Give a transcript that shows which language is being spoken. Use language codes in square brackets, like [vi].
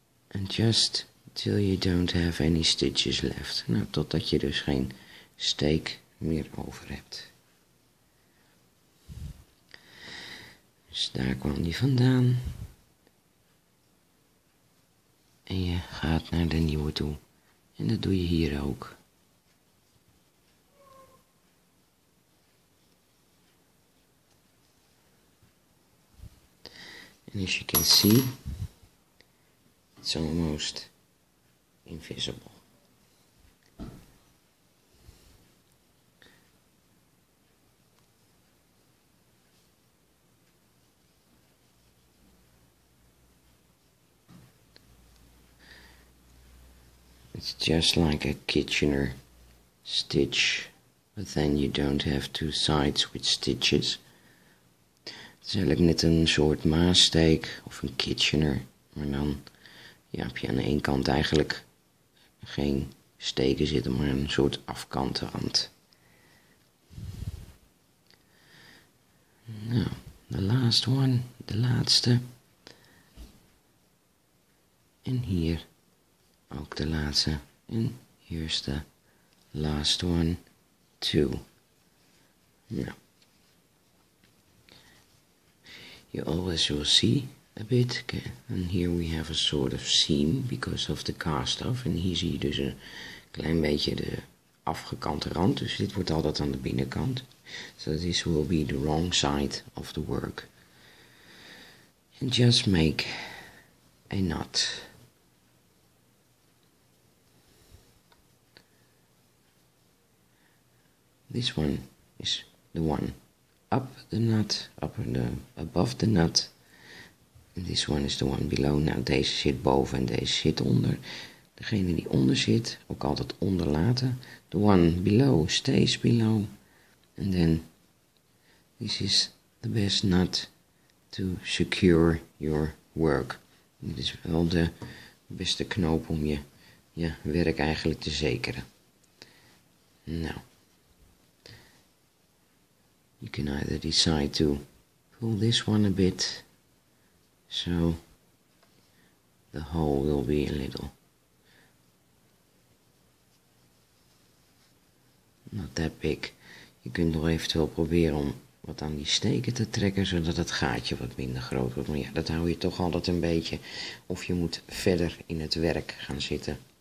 [en] And just till you don't have any stitches left. [nl] Nou, totdat je dus geen steek meer over hebt. Dus daar kwam die vandaan. En je gaat naar de nieuwe toe. En dat doe je hier ook. [en] And as you can see, it's almost invisible. It's just like a Kitchener stitch, but then you don't have two sides with stitches. [nl] Het is eigenlijk net een soort maassteek of een Kitchener, maar dan ja, heb je aan de ene kant eigenlijk geen steken zitten, maar een soort afkante rand. [en] Nou, the last one, [nl] de laatste. En hier ook de laatste. En hier is de [en] last one, two. [nl] Nou. [en] You always will see a bit, and here we have a sort of seam because of the cast off. [nl] En hier zie je dus een klein beetje de afgekante rand, dus dit wordt altijd aan de binnenkant. [en] So this will be the wrong side of the work. And just make a knot. This one is the one. Up the nut, above the nut. And this one is the one below. [nl] Nou, deze zit boven en deze zit onder. Degene die onder zit, ook altijd onder laten. [en] The one below stays below. And then this is the best nut to secure your work. [nl] Dit is wel de beste knoop om je ja, werk eigenlijk te zekeren. Nou. [en] You can either decide to pull this one a bit, so the hole will be a little not that big. [nl] Je kunt nog eventueel proberen om wat aan die steken te trekken, zodat het gaatje wat minder groot wordt. Maar ja, dat hou je toch altijd een beetje, of je moet verder in het werk gaan zitten.